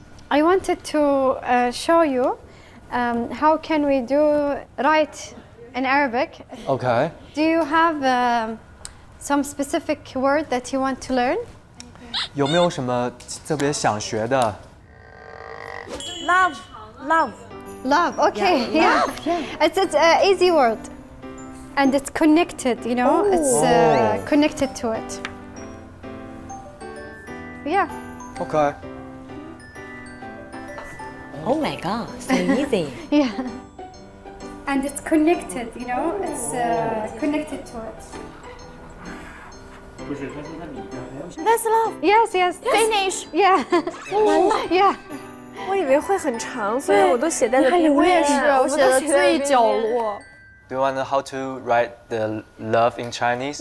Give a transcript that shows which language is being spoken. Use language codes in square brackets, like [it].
[en] I wanted to show you how can we do write in Arabic. Okay. Do you have some specific word that you want to learn? [zh] 有没有什么特别想学的 [en] ？Love, love, love. Okay. Yeah. It's an easy word, and it's connected. You know,、Ooh. it's connected to it. Yeah. Okay. Oh my god, so easy. Yeah. And it's connected, you know? It's connected to it. That's love. Yes, yes. Finish. Yeah. Oh, yeah. [zh] 我以为会很长，所以我都写在了里面。我也是，我写在最角落。 [en] Do you want to know how to write the love in Chinese?